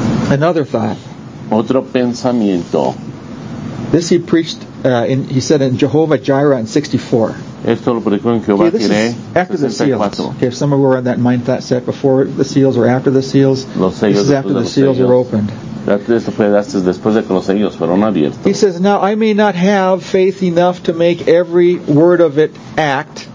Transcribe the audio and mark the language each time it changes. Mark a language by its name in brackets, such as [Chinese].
[English] Another thought. [Spanish] Otro pensamiento. [English] This he preached, he said in Jehovah Jireh in 64. [Spanish] Esto lo predicó en Jehová Jireh. [English] Okay, after the seals. Okay, if some of you were on that mindset before the seals or after the seals, [Spanish] los sellos [English] this is after the seals are opened. [Spanish] Después de que los sellos fueron abiertos. [English] He says, now I may not have faith enough to make every word of it act.